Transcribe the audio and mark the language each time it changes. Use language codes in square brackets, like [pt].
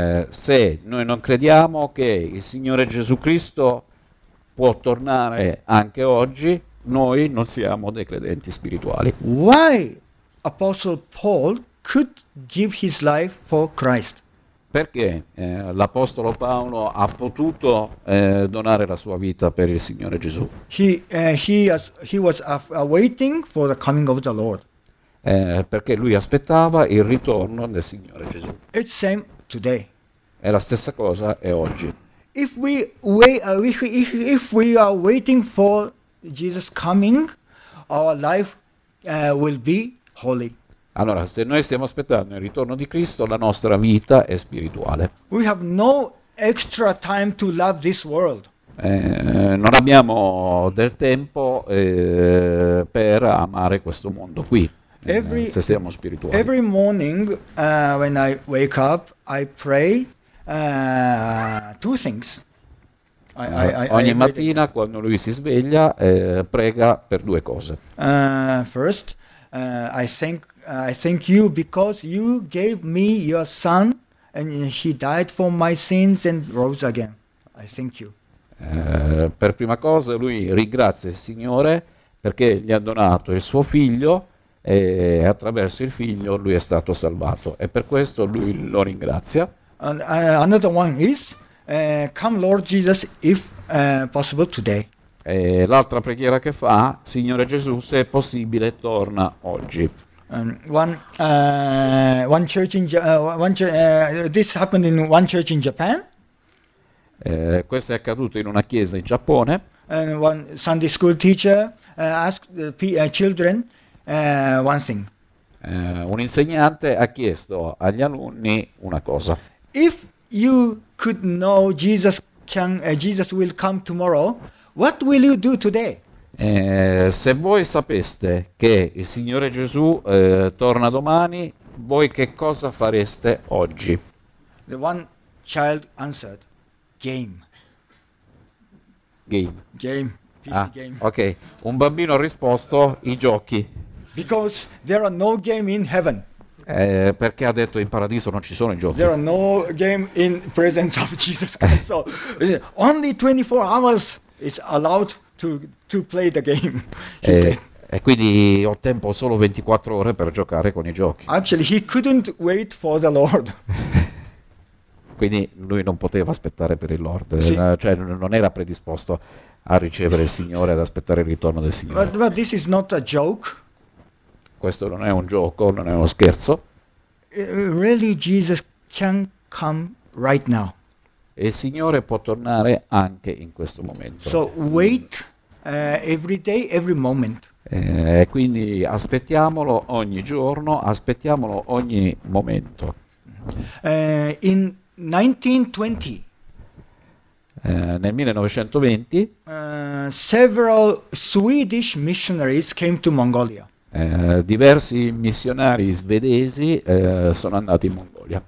[it] Se noi non crediamo che il Signore Gesù Cristo può tornare anche oggi, noi non siamo dei credenti spirituali. [en] Why Apostle Paul could give his life for Christ? [it] Perché l'apostolo Paolo ha potuto donare la sua vita per il Signore Gesù? [en] He was waiting for the coming of the Lord. [it] Perché lui aspettava il ritorno del Signore Gesù. [en] It's same today. [it] È la stessa cosa e oggi. [en] If we are waiting for Jesus coming, our life will be holy. [it] Allora, se noi stiamo aspettando il ritorno di Cristo, la nostra vita è spirituale. [en] We have no extra time to love this world. [it] Non abbiamo del tempo per amare questo mondo qui, se siamo spirituali. [en] Every morning when I wake up, I pray two things. [it] Ogni mattina quando lui si sveglia, prega per due cose. [en] First, I thank you because you gave me your son and he died for my sins and rose again. I thank you. [it] Per prima cosa lui ringrazia il Signore perché gli ha donato il suo figlio e attraverso il figlio lui è stato salvato e per questo lui lo ringrazia. [en] And, another one is, come Lord Jesus if possible today. [it] E l'altra preghiera che fa, Signore Gesù, se è possibile torna oggi. [en] This happened in one church in Japan. [it] Questo è accaduto in una chiesa in Giappone. [en] And one Sunday school teacher asked the children one thing. [it] Un insegnante ha chiesto agli alunni una cosa. [en] If you could know Jesus can Jesus will come tomorrow, what will you do today? [it] Se voi sapeste che il Signore Gesù torna domani, voi che cosa fareste oggi? [en] The one child answered, game. Game. Game. Ah, game. [it] Ok, un bambino ha risposto, i giochi. [en] Because there are no game in heaven. [it] Perché ha detto in paradiso non ci sono i giochi. [en] There are no game in presence of Jesus Christ. So, only 24 hours is allowed to play the game. [it] E quindi ho tempo solo 24 ore per giocare con i giochi. [en] Actually, he couldn't wait for the Lord. [it] Quindi lui non poteva aspettare per il Lord, sì. Cioè non era predisposto a ricevere il Signore, ad aspettare il ritorno del Signore. [en] But this is not a joke. [it] Questo non è un gioco, non è uno scherzo. [en] Really, Jesus can come right now. [it] E il Signore può tornare anche in questo momento. [en] So wait every day, every moment. [it] Quindi aspettiamolo ogni giorno, aspettiamolo ogni momento. [en] In 1920. [it] Nel 1920. [en] Several Swedish missionaries came to Mongolia. [it] Diversi missionari svedesi sono andati in Mongolia.